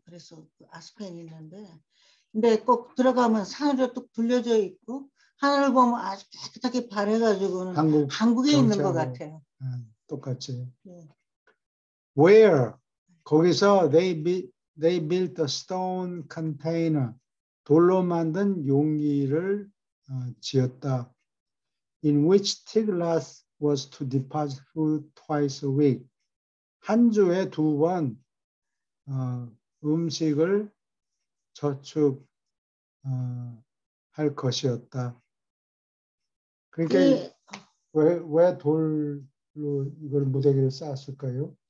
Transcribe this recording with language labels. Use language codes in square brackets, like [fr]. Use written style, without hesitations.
[ko] 그래서 그 아스펜이 있는데, 근데 꼭 들어가면 산으로 뚝 둘러져 있고 하늘을 보면 아주 깨끗하게 바래가지고는 한국 한국에 있는 것 같아요. 똑같이. [en] Where? [ko] 거기서 [en] they built a stone container. [ko] 돌로 만든 용기를 지었다. [en] In which Tiglath was to deposit food twice a week. [ko] 한 주에 두번 음식을 저축할 것이었다. 그러니까 그 왜 돌로 이걸 무더기를 쌓았을까요?